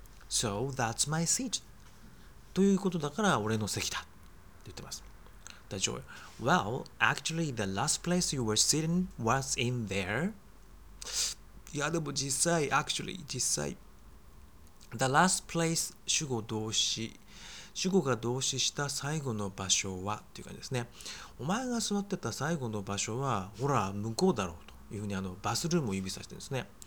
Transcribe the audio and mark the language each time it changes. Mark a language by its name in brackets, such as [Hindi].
[English] So that's my seat、 [Japanese] ということだから俺の席だって言ってます。 [English] The joy Well actually the last place you were sitting was in there。 [Japanese] いやでも実際 actually 実際 [English] The last place [Japanese] 主語動詞、主語が動詞した最後の場所はっていう感じですね。お前が座ってた最後の場所はほら向こうだろうというふうに、あのバスルームを指さしてるんですね。